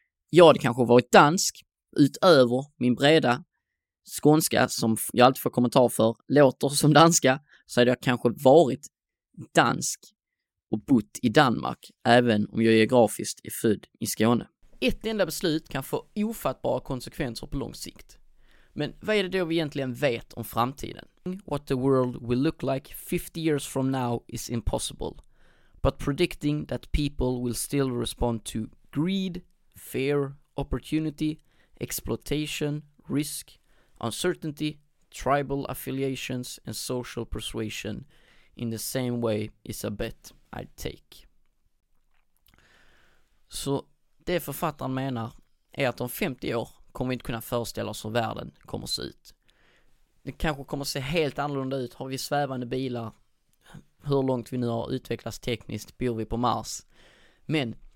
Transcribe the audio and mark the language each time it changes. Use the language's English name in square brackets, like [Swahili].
[Swedish] Jag hade kanske varit dansk, utöver min breda skånska som jag alltid får kommentar för, låter som danska, så hade jag kanske varit dansk och bott i Danmark, även om jag geografiskt är född i Skåne. Ett enda beslut kan få ofattbara konsekvenser på lång sikt. Men vad är det då vi egentligen vet om framtiden? [English] What the world will look like 50 years from now is impossible, but predicting that people will still respond to greed, fear, opportunity, exploitation, risk, uncertainty, tribal affiliations and social persuasion in the same way is a bet I'd take. [Swedish] Så det författaren menar är att om 50 år kommer vi inte kunna föreställa oss hur världen kommer se ut. Det kanske kommer att se helt annorlunda ut. Har vi svävande bilar? Hur långt vi nu har utvecklats tekniskt? Bor vi på Mars? Men